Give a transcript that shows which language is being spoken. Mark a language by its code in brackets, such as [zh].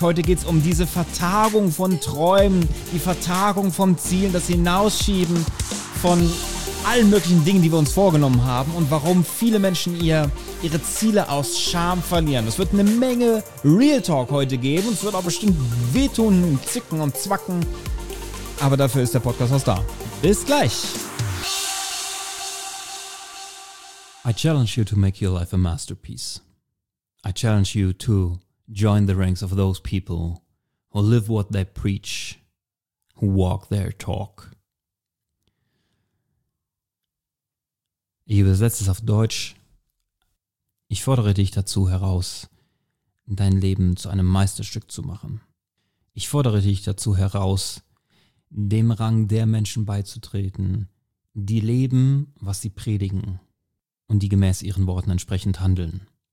[de] Heute geht es um diese Vertagung von Träumen, die Vertagung von Zielen, das Hinausschieben von allen möglichen Dingen, die wir uns vorgenommen haben und warum viele Menschen ihre Ziele aus Scham verlieren. Es wird eine Menge Real Talk heute geben und es wird auch bestimmt wehtun und zicken und zwacken, aber dafür ist der Podcast aus da. Bis gleich! [en] I challenge you to make your life a masterpiece. I challenge you to join the ranks of those people who live what they preach, who walk their talk. [de] Ich übersetze es auf Deutsch. Ich fordere dich dazu heraus, dein Leben zu einem Meisterstück zu machen. Ich fordere dich dazu heraus, dem Rang der Menschen beizutreten, die leben, was sie predigen und die gemäß ihren Worten entsprechend handeln.